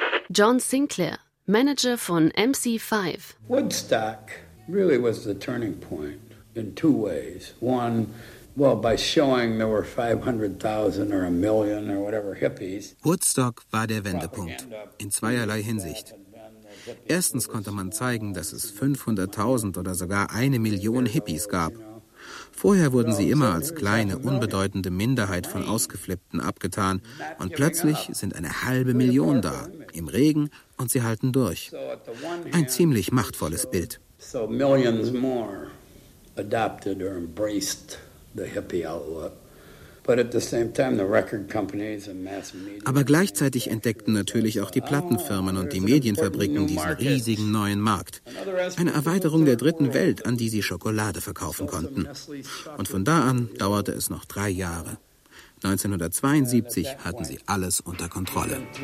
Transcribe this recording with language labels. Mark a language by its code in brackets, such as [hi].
[de] John Sinclair, Manager von MC5. [en] Woodstock really was the turning point in two ways. One, well, by showing there were 500,000 or a million or whatever hippies. [de] Woodstock war der Wendepunkt in zweierlei Hinsicht. Erstens konnte man zeigen, dass es 500,000 oder sogar 1 Million Hippies gab. Vorher wurden sie immer als kleine, unbedeutende Minderheit von Ausgeflippten abgetan. Und plötzlich sind 500,000 da, im Regen, und sie halten durch. Ein ziemlich machtvolles Bild. [en] So millions more adopted or embraced the hippie outlook. But at the same time, the record companies and mass media. [de] Aber gleichzeitig entdeckten natürlich auch die Plattenfirmen und die Medienfabriken diesen riesigen neuen Markt. Eine Erweiterung der dritten Welt, an die sie Schokolade verkaufen konnten. Und von da an dauerte es noch 3 Jahre. 1972 hatten sie alles unter Kontrolle.